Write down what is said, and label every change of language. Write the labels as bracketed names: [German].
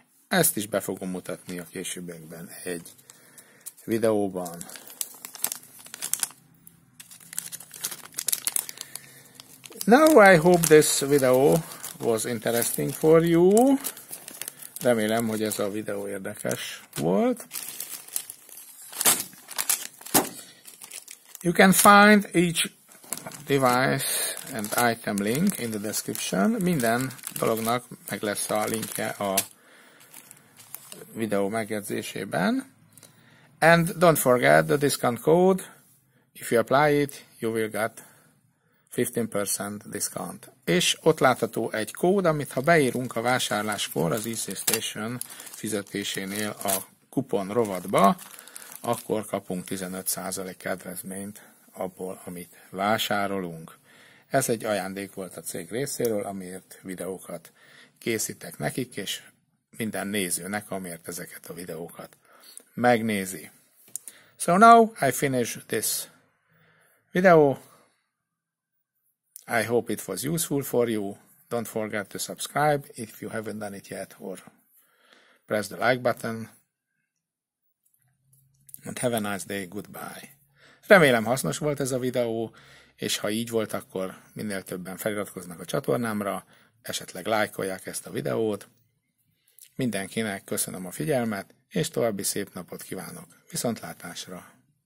[Hungarian] Ezt is be fogom mutatni a későbbiekben egy videóban. [English] Now I hope this video was interesting for you. [Hungarian] Remélem, hogy ez a videó érdekes volt. [English] You can find each device and item link in the description. [Hungarian] Minden dolognak meg lesz a linkje a videó megjegyzésében. [English] And don't forget the discount code. If you apply it, you will get 15% discount. [Hungarian] És ott látható egy kód, amit ha beírunk a vásárláskor az EC Station fizetésénél a kupon rovatba, akkor kapunk 15% kedvezményt abból, amit vásárolunk. Ez egy ajándék volt a cég részéről, amiért videókat készítek nekik, és minden nézőnek, amiért ezeket a videókat megnézi. [English] So now I finish this video. I hope it was useful for you. Don't forget to subscribe if you haven't done it yet, or press the like button. And have a nice day, goodbye. [Hungarian] Remélem hasznos volt ez a videó, és ha így volt, akkor minél többen feliratkoznak a csatornámra, esetleg lájkolják ezt a videót. Mindenkinek köszönöm a figyelmet, és további szép napot kívánok. Viszontlátásra!